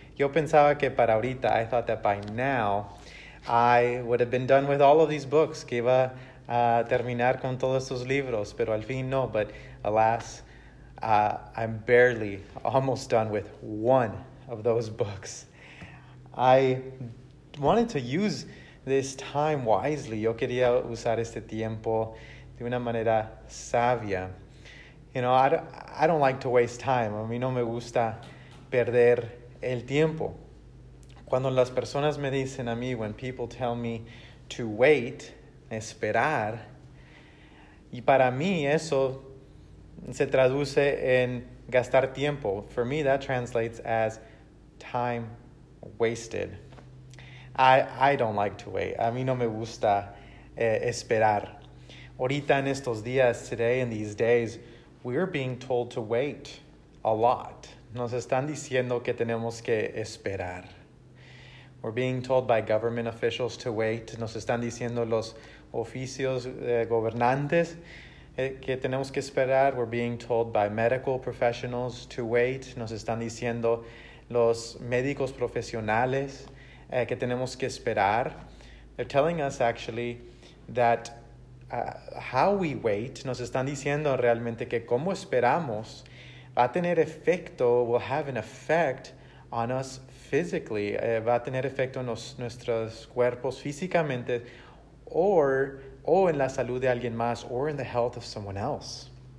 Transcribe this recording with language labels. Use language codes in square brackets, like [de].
[es] Yo pensaba que para ahorita, [en] I thought that by now, I would have been done with all of these books, [es] que iba a terminar con todos esos libros, pero al fin no. [en] But alas, I'm barely almost done with one of those books. I wanted to use this time wisely. [es] Yo quería usar este tiempo de una manera sabia. [en] You know, I don't like to waste time. [es] A mí no me gusta perder el tiempo. Cuando las personas me dicen a mí, [en] when people tell me to wait, [es] esperar, y para mí eso se traduce en gastar tiempo. [en] For me, that translates as time wasted. I don't like to wait. [es] A mí no me gusta esperar. Ahorita en estos días, [en] today in these days, we're being told to wait a lot. [es] Nos están diciendo que tenemos que esperar. [en] We're being told by government officials to wait. [es] Nos están diciendo los oficios gobernantes que tenemos que esperar. [en] We're being told by medical professionals to wait. [es] Nos están diciendo los médicos profesionales que tenemos que esperar. [en] They're telling us actually that how we wait, [es] nos están diciendo realmente que cómo esperamos va a tener efecto, [en] will have an effect on us physically, [es] va a tener efecto en nuestros cuerpos físicamente, o en la salud de alguien más, [en] or in the health of someone else.